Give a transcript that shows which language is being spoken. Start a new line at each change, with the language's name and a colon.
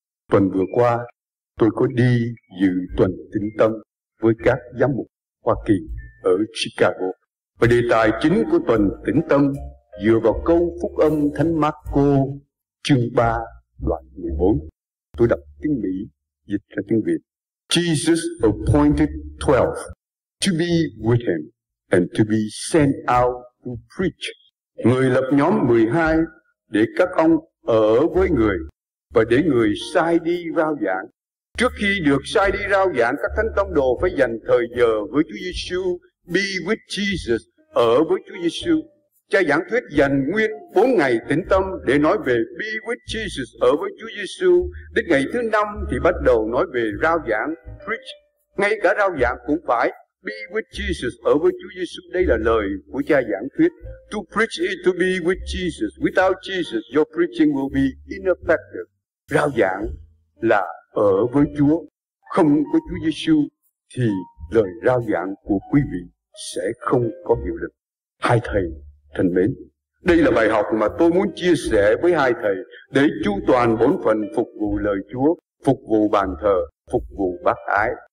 Vietnamese: Tuần vừa qua, tôi có đi dự tuần tĩnh tâm với các giám mục Hoa Kỳ ở Chicago. Và đề tài chính của tuần tĩnh tâm dựa vào câu phúc âm Thánh Marco chương 3 đoạn 14. Tôi đọc tiếng Mỹ, dịch ra tiếng Việt.
English: Jesus appointed 12 to be with him and to be sent out to preach.
Vietnamese: Người lập nhóm 12 để các ông ở với người và để người sai đi rao giảng. Trước khi được sai đi rao giảng, các thánh tông đồ phải dành thời giờ với Chúa Giêsu,
English: be with Jesus,
Vietnamese: ở với Chúa Giêsu. Cha giảng thuyết dành nguyên 4 ngày tĩnh tâm để nói về
English: be with Jesus,
Vietnamese: ở với Chúa Giêsu. Đến ngày thứ 5 thì bắt đầu nói về rao giảng, preach. Ngay cả rao giảng cũng phải
English: be with Jesus,
Vietnamese: ở với Chúa Giêsu. Đây là lời của cha giảng thuyết.
English: To preach is to be with Jesus. Without Jesus, your preaching will be ineffective.
Vietnamese: Rao giảng là ở với Chúa. Không có Chúa Giêsu thì lời rao giảng của quý vị sẽ không có hiệu lực. Hai thầy thân mến, đây là bài học mà tôi muốn chia sẻ với hai thầy để chú toàn bổn phận phục vụ lời Chúa, phục vụ bàn thờ, phục vụ bác ái.